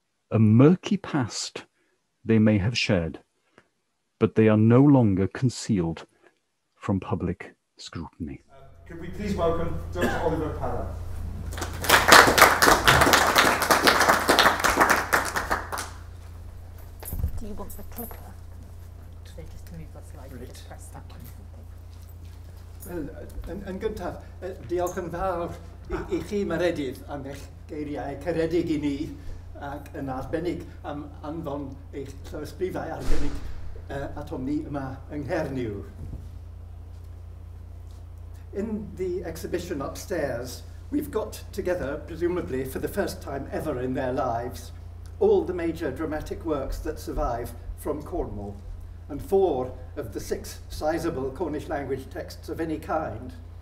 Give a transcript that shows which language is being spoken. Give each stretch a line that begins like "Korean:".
English: A murky past they may have shared, but they are no longer concealed from public scrutiny. Can we please welcome Dr. Oliver Padel? Do you want the clicker? They just to move the slide, right. Just press that one.
Welsh: Well, yn gyntaf, diolch yn fawr i chi, Maredudd, am eich geiriau caredig i ni ac yn arbennig am anfon eich llawysgrifau arbennig atom ni yma yng Nghernyw.
English: In the exhibition upstairs, we've got together, presumably for the first time ever in their lives, all the major dramatic works that survive from Cornwall, and four of the six sizable Cornish language texts of any kind.